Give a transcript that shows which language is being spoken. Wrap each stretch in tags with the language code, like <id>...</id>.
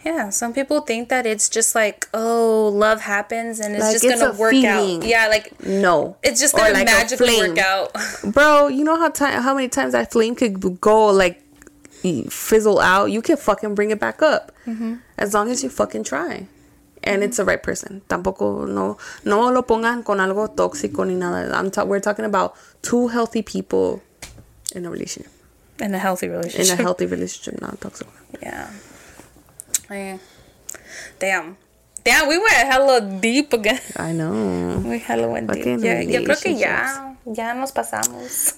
<en>Yeah, some people think that it's just like, oh, love happens and it's like, just it's gonna a work feeling. Out. Yeah, like no, it's just gonna like magically work out. Bro, you know how many times that flame could go like fizzle out? You can fucking bring it back up as long as you fucking try. And it's the right person.</en> <es>Tampoco, no lo pongan con algo tóxico ni nada.</es> <en>We're talking about two healthy people in a relationship. In a healthy relationship. In a healthy relationship, not toxic. Yeah. Damn. Damn, we went hella deep again. I know. We hella went deep. Yeah, yo creo que ya. Ya nos pasamos.</en>